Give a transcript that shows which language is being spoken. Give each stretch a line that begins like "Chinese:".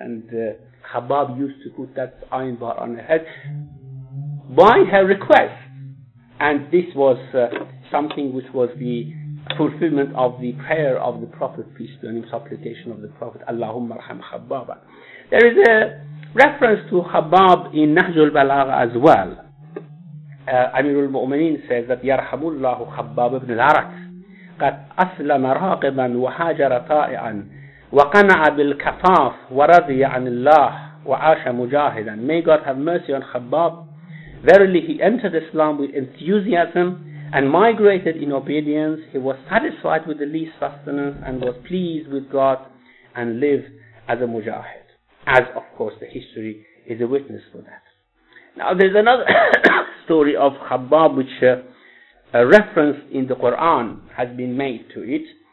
English: And Khabbab used to put that iron bar on her head by her request. And this was something which was the fulfillment of the prayer of the Prophet, peace be on him, supplication of the Prophet,
Arabic: Allahumma arham Khabbaba.
English: There is a reference to Khabbab in Nahjul Balagha as well. Amirul Mu'mineen says that
Arabic: يَرْحَمُ اللَّهُ خَبَّابَ بْنِ الْعَرَكِ قَدْ أَسْلَمَ رَاقِبًا وَحَاجَرَ طَائِعًا وَقَنَعَ بِالْكَفَافِ وَرَضِيَ عَنِ اللَّهِ وَعَاشَ مُجَاهِدًا.
English: May God have mercy on Khabbab. Verily he entered Islam with enthusiasm and migrated in obedience. He was satisfied with the least sustenance and was pleased with God and lived as a mujahid. As, of course, the history is a witness for that. Now, there's another story of Khabbab, which a reference in the Quran has been made to it.